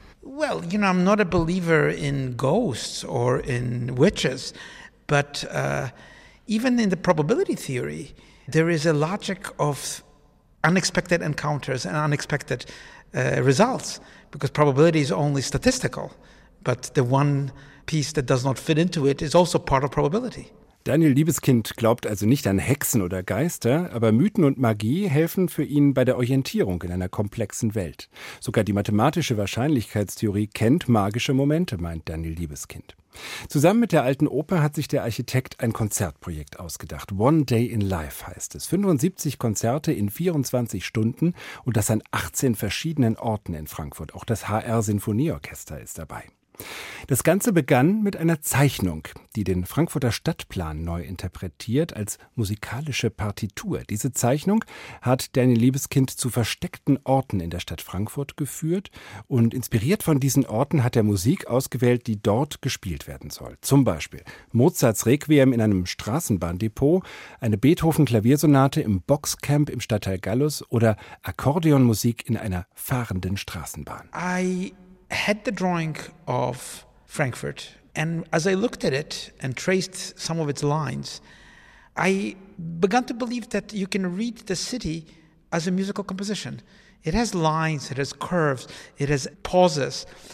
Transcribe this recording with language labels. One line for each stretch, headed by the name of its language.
English: Well, you know, I'm not a believer in ghosts or in witches, but even in the probability theory, there is a logic of unexpected encounters and unexpected results, because probability is only statistical, but the one piece that does not fit into it is also part of probability.
German: Daniel Liebeskind glaubt also nicht an Hexen oder Geister, aber Mythen und Magie helfen für ihn bei der Orientierung in einer komplexen Welt. Sogar die mathematische Wahrscheinlichkeitstheorie kennt magische Momente, meint Daniel Liebeskind. Zusammen mit der Alten Oper hat sich der Architekt ein Konzertprojekt ausgedacht. One Day in Life heißt es. 75 Konzerte in 24 Stunden und das an 18 verschiedenen Orten in Frankfurt. Auch das HR-Sinfonieorchester ist dabei. Das Ganze begann mit einer Zeichnung, die den Frankfurter Stadtplan neu interpretiert als musikalische Partitur. Diese Zeichnung hat Daniel Liebeskind zu versteckten Orten in der Stadt Frankfurt geführt und inspiriert von diesen Orten hat er Musik ausgewählt, die dort gespielt werden soll. Zum Beispiel Mozarts Requiem in einem Straßenbahndepot, eine Beethoven-Klaviersonate im Boxcamp im Stadtteil Gallus oder Akkordeonmusik in einer fahrenden Straßenbahn.
English: I had the drawing of Frankfurt, and as I looked at it and traced some of its lines, I began to believe that you can read the city as a musical composition. It has lines, it has curves, it has pauses.